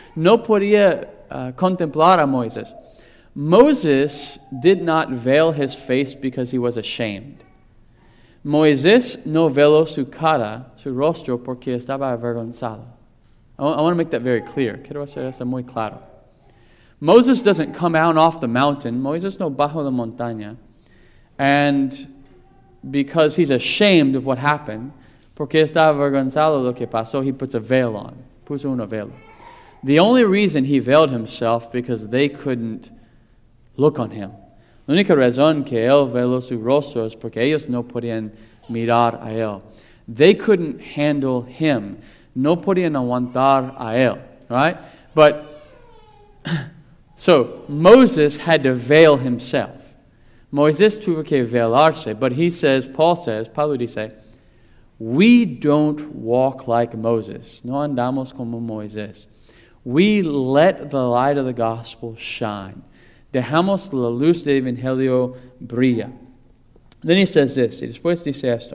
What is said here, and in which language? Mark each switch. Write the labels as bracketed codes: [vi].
[es] No podía contemplar a Moisés. [en] Moses did not veil his face because he was ashamed. [es] Moisés no veló su cara, su rostro, porque estaba avergonzado. [en] I want to make that very clear. [es] Quiero hacer eso muy claro. [en] Moses doesn't come out off the mountain. [es] Moisés no bajo la montaña. [en] And because he's ashamed of what happened, [es] porque está avergonzado lo que pasó, [en] he puts a veil on. [es] Puso una vela. [en] The only reason he veiled himself because they couldn't look on him. [es] La única razón que él veló su rostro es porque ellos no podían mirar a él. [en] They couldn't handle him. [es] No podían aguantar a él, [en] right? But, so, Moses had to veil himself. [es] Moisés tuvo que velarse, [en] but he says, Paul says, [es] Pablo dice, [en] we don't walk like Moses. [es] No andamos como Moisés. [en] We let the light of the gospel shine. [es] Dejamos la luz del evangelio brilla. [en] Then he says this, [es] y después dice esto.